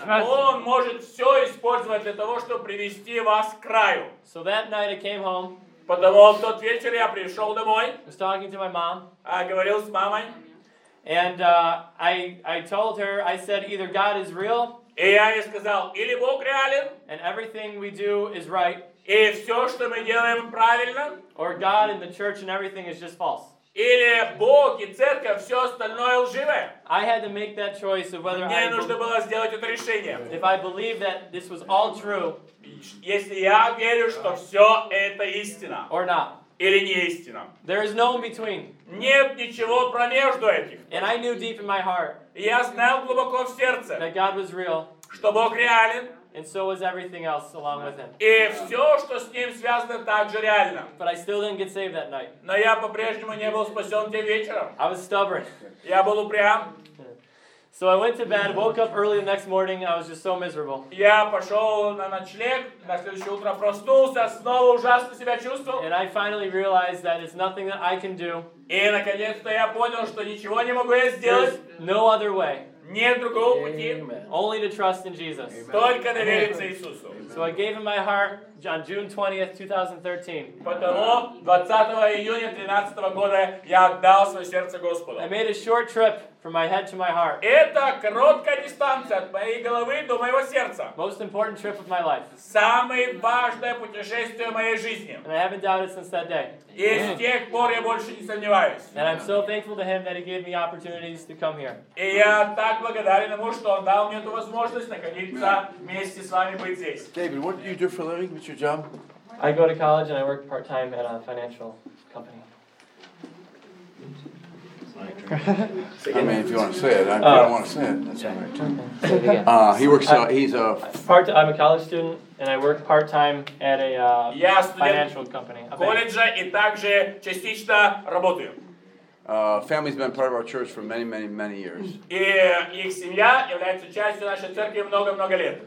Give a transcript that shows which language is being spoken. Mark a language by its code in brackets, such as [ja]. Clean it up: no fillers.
[ru] Он может все использовать для того, чтобы привести вас к краю. [en] So that night I came home. [ru] Потому в тот вечер я пришел домой. [en] I was talking to my mom. [ru] Говорил с мамой. [en] And I told her, I said, either God is real. [ru] И я ей сказал, или Бог реален. [en] And everything we do is right. [ru] И все, что мы делаем правильно. [en] Or God and the church and everything is just false. [ru] Или Бог и церковь, все остальное лживое. [en] I had to make that choice of whether [ru] мне нужно было сделать это решение. [en] If I believe that this was all true, [ru] если я верю, что все это истина. [en] Or not. [ru] Или не истина. [en] There is no in between. [ru] Нет ничего промежду этих. [en] And I knew deep in my heart, [ru] я знал глубоко в сердце, [en] that God was real, [ru] что Бог реален. [en] And so was everything else along with him. [ru] И все, что с ним связано, также реально. [en] But I still didn't get saved that night. [ru] Но я по-прежнему не был спасен тем вечером. [en] I was stubborn. [ru] Я был упрям. [en] So I went to bed, woke up early the next morning, I was just so miserable. [ru] Я пошел на ночлег, на следующее утро проснулся, снова ужасно себя чувствовал. [en] And I finally realized that it's nothing that I can do. [ru] И наконец-то я понял, что ничего не могу я сделать. [en] There's no other way. [ru] Нет другого пути. [en] Only to trust in Jesus. Amen. [ru] Только довериться Иисусу. [en] Amen. So I gave him my heart on June 20th, 2013. [ru] Потому 20 июня 13 года я отдал свое сердце Господу. [en] I made a short trip from my head to my heart. [ru] Это короткая дистанция от моей головы до моего сердца. [en] Most important trip of my life. [ru] Самое важное путешествие моей жизни. [en] And I haven't doubted since that day. [ru] И с тех пор я больше не сомневаюсь. [en] And I'm so thankful to him that he gave me opportunities to come here. [ru] И я так благодарен ему, что он дал мне эту возможность находиться вместе с вами быть здесь. [en] David, what do you do for a living? What's your job? I go to college and I work part-time at a financial company. I mean, if you want to say it, I don't want to say it. That's all right. He works. He's a part. I'm a college student and I work part-time at a financial company. [ru] College и также частично работаю. [en] Family's been part of our church for many, many, many years. [ru] И их семья является частью нашей церкви много-много лет.